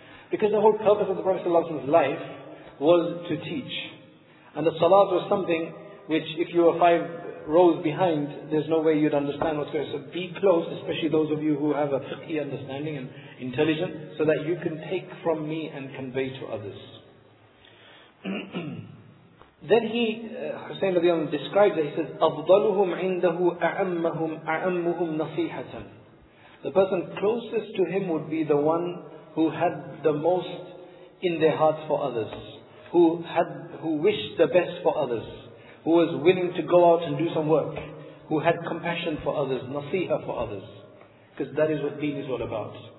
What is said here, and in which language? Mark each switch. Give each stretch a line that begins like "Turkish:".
English: Because the whole purpose of the Prophet's life was to teach. And the salat was something which if you were five rows behind, there's no way you'd understand what's going on. So be close, especially those of you who have a fiqhi understanding and intelligence, so that you can take from me and convey to others. Then he,
Arabic: Hussein رضي الله عنه,
English: describes it. He says,
Arabic: أَفْضَلُهُمْ عِنْدَهُ أَعَمَّهُمْ أَعَمُّهُمْ نَصِيحَةً.
English: The person closest to him would be the one who had the most in their hearts for others, who wished the best for others, who was willing to go out and do some work, who had compassion for others, nasiha for others, because that is what deen is all about.